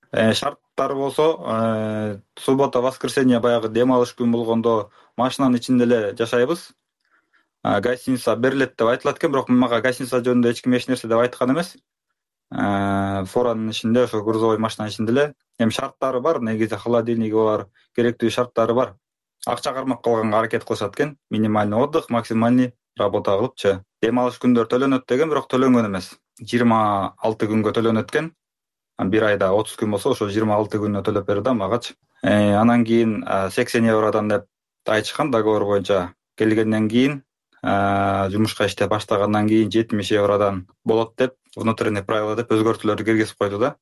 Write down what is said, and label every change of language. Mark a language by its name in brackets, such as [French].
[Kyrgyz] Шарттар болсо, [Russian] суббота, воскресенье [Kyrgyz] баягы дем алыш күн болгондо машинанын ичинде эле жашайбыз. Гостиница берилет деп айтылат экен, бирок мага гостиница жөнүндө эч ким эч нерсе деп айткан эмес. форанын ичинде ошо грузовой машинанын ичинде эле эми шарттары бар, негизи холодильниги бар, керектүү шарттары бар. Акча кармап калганга аракет кылышат экен. [Russian] Минимальный отдых, максимальный работа [Kyrgyz] кылыпчы. Дем алыш күндөр төлөнөт деген, бирок төлөнгөн эмес. 26 күнгө төлөнөт экен. Бир айда 30 күн болсо ошо 26 күнүнө төлөп берди да магачы. Анан кийин 80 евродон деп айтышкан договор боюнча. Келгенден кийин жумушка иштеп баштагандан кийин 70 евродон болот деп [Russian] внутренний правила [Kyrgyz] деп өзгөртүүлөрдү киргизип койду да.